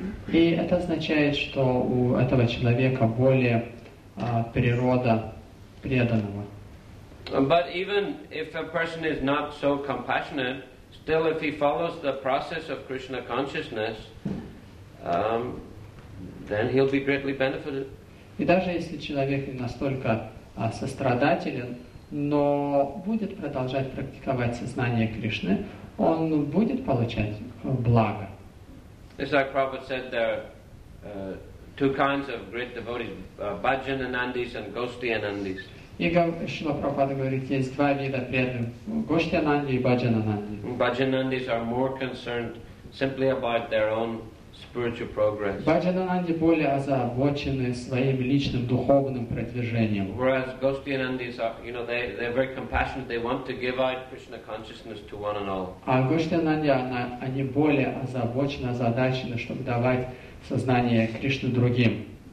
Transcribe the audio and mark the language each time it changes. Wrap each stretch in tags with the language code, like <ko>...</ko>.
<ru>И это означает, что у этого человека более природа преданного.</ru> <en>But even if a person is not so compassionate, still if he follows the process of Krishna consciousness, then he'll be greatly benefited.</en> <ru>И даже если человек не настолько сострадателен, но будет продолжать практиковать сознание Кришны, он будет получать благо.</ru> <en>It's like Prabhupada said, there are two kinds of great devotees, Bhajan Anandis and Goshti Anandis.</en> <ru>И Шрила Прабхупада говорит, есть два вида преданных, Гости Ананди и Бхаджан Ананди.</ru> <en>Бхаджан Анандис are more concerned simply about their own spiritual progress.</en> <ru>Бхаджанананди более озабочены своим личным духовным продвижением.</ru> <en>Whereas Goshti Anandis are, you know, they're very compassionate. They want to give out Krishna consciousness to one and all.</en> <ru>А Гости Ананди, они более озабочены, озадачены, чтобы давать сознание Кришны другим.</ru>